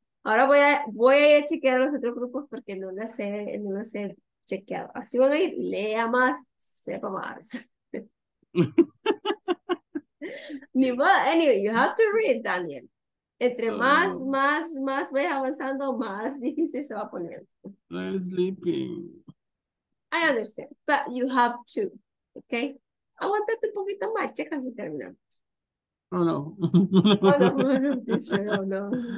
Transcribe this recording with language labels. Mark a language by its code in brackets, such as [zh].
[es] Ahora voy a ir a chequear a los otros grupos porque no las he chequeado. Así van a ir, lea más, sepa más. Ni modo, [en] anyway, you have to read, Daniel. [es] Entre más voy avanzando, más difícil se va a poner. [en] I'm sleeping. I understand, but you have to, okay? [es] Aguántate un poquito más, checa si terminamos. [en] Oh, no. Oh, no.